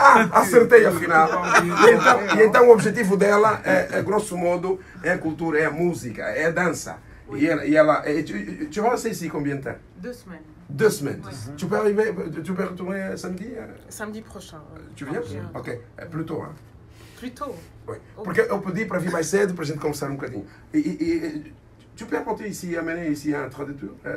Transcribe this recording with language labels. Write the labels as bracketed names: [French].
[Portuguese] Acertei afinal. E então o objetivo dela, é grosso modo, é a cultura, é a música, é a dança. [French] Oui. [Portuguese] E ela, [French] tu vas ici combien de temps? Deux semaines. Oui. Tu peux retourner samedi? Samedi prochain. Tu viens? Ok, plus tôt. Hein? Plus tôt? Oui, okay. [Portuguese] Porque eu pedi para vir mais cedo para a gente conversar um bocadinho. [French] Tu peux apporter ici, amener ici un traducteur?